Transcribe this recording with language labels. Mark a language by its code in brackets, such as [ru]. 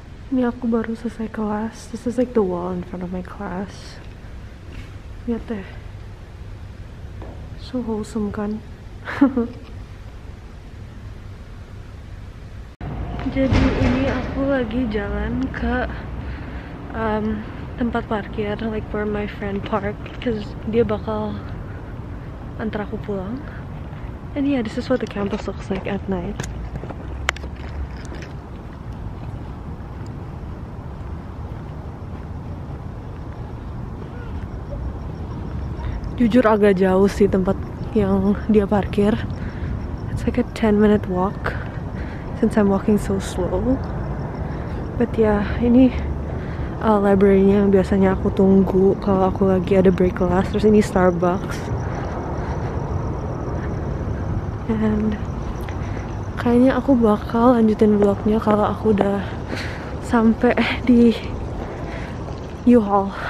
[id] Ini aku baru selesai kelas. [en] This is like the wall in front of my class. [id] Lihat deh. [en] So wholesome [id] kan. Jadi ini aku lagi jalan ke tempat parkir, [en] like where my friend park, because [id] dia bakal antar aku pulang. [en] And yeah, this is what the campus looks like at night. [id] Jujur agak jauh sih tempat yang dia parkir. [en] It's like a 10 minute walk since I'm walking so slow. But yeah, [id] ini library-nya yang biasanya aku tunggu kalau aku lagi ada break kelas. Terus ini Starbucks. And kayaknya aku bakal lanjutin vlognya kalau aku udah sampai di U-Haul.